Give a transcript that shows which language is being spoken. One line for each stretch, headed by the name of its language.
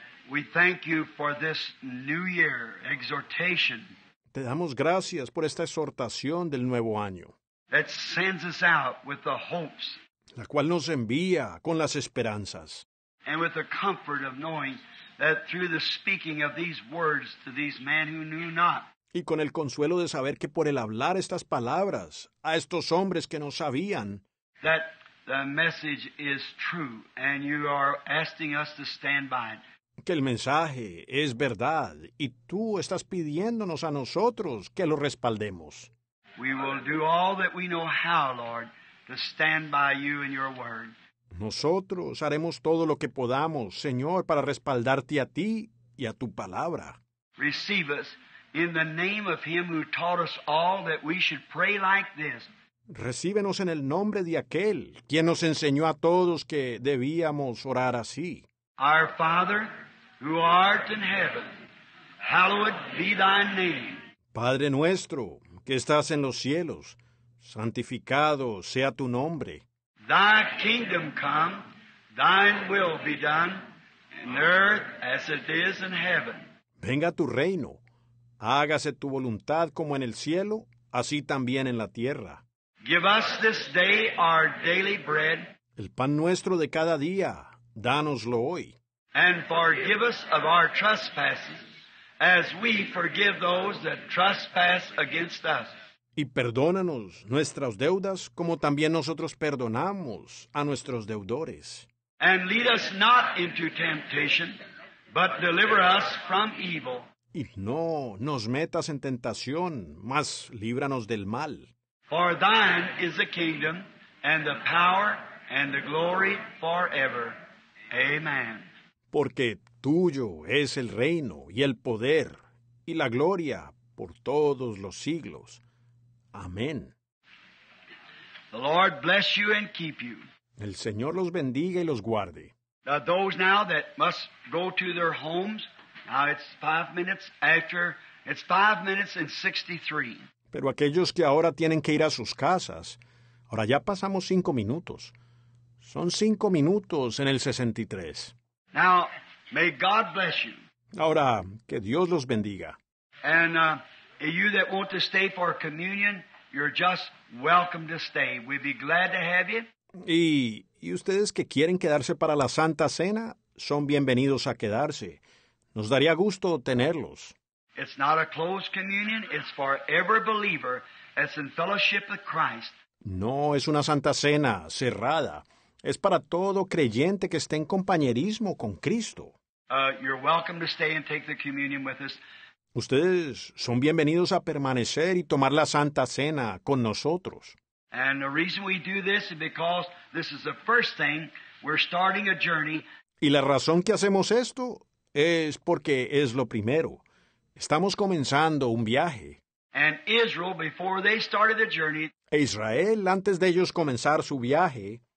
English: We thank you for this new year exhortation.
Spanish: Te damos gracias por esta exhortación del nuevo año.
English: That sends us out with the hopes.
Spanish: La cual nos envía con las esperanzas.
English: And with the comfort of knowing that through the speaking of these words to these men who knew not.
Spanish: Y con el consuelo de saber que por el hablar estas palabras a estos hombres que no sabían.
English: That the message is true and you are asking us to stand by it.
Spanish: Que el mensaje es verdad y tú estás pidiéndonos a nosotros que lo respaldemos.
English: We will do all that we know how, Lord, to stand by you and your word.
Spanish: Nosotros haremos todo lo que podamos, Señor, para respaldarte a ti y a tu palabra.
English: Receive us in the name of him who taught us all that we should pray like this.
Spanish: Recíbenos en el nombre de aquel quien nos enseñó a todos que debíamos orar así.
English: Our Father, who art in heaven, hallowed be thy name.
Spanish: Padre nuestro, que estás en los cielos, santificado sea tu nombre.
English: Thy kingdom come, thine will be done, in earth as it is in heaven.
Spanish: Venga tu reino, hágase tu voluntad como en el cielo, así también en la tierra.
English: Give us this day our daily bread.
Spanish: El pan nuestro de cada día, dánoslo hoy.
English: And forgive us of our trespasses, as we forgive those that trespass against us.
Spanish: Y perdónanos nuestras deudas, como también nosotros perdonamos a nuestros deudores.
English: And lead us not into temptation, but deliver us from evil.
Spanish: Y no nos metas en tentación, mas líbranos del mal.
English: For thine is the kingdom, and the power, and the glory forever. Amen.
Spanish: Porque tuyo es el reino, y el poder, y la gloria, por todos los siglos. Amén.
English: The Lord bless you and keep you.
Spanish: El Señor los bendiga y los guarde.
English: Now those now that must go to their homes, now it's 5 minutes after, it's 5 minutes and 63.
Spanish: Pero aquellos que ahora tienen que ir a sus casas, ahora ya pasamos 5 minutos. Son 5 minutos en el 63.
English: Now, may God bless you.
Spanish: Ahora, que Dios los bendiga.
English: And you that want to stay for communion, you're just welcome to stay. We'd be glad to have you.
Spanish: Y ustedes que quieren quedarse para la Santa Cena, son bienvenidos a quedarse. Nos daría gusto tenerlos.
English: It's not a closed communion, it's for every believer that's in fellowship with Christ.
Spanish: No es una Santa Cena cerrada. Es para todo creyente que esté en compañerismo con Cristo.
English: You're welcome to stay and take the communion with us.
Spanish: Ustedes son bienvenidos a permanecer y tomar la Santa Cena con nosotros.
English: And the reason we do this is because this is the first thing, we're starting a journey.
Spanish: Y la razón que hacemos esto es porque es lo primero. Estamos comenzando un viaje.
English: And Israel, before they started the journey,
Spanish: e Israel, antes de ellos comenzar su viaje,